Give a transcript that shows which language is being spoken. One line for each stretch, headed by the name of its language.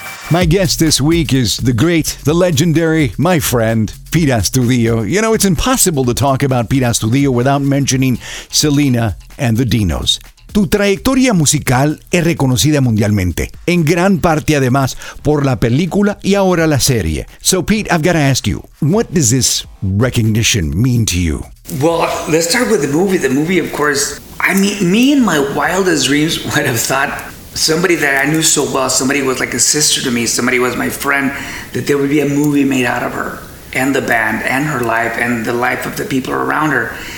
English: My guest this week is the great, the legendary, my friend, Pete Astudillo. You know, it's impossible to talk about Pete Astudillo without mentioning Selena and the Dinos.
Spanish: Tu trayectoria musical es reconocida mundialmente, en gran parte además por la película y ahora la serie.
English: So Pete, I've got to ask you, what does this recognition mean to you? Well, let's start with the movie. The movie, of course, I mean, me in my wildest dreams would have thought somebody that I knew so well, somebody was like a sister to me, somebody was my friend, that there would be a movie made out of her and the band and her life and the life of the people around her.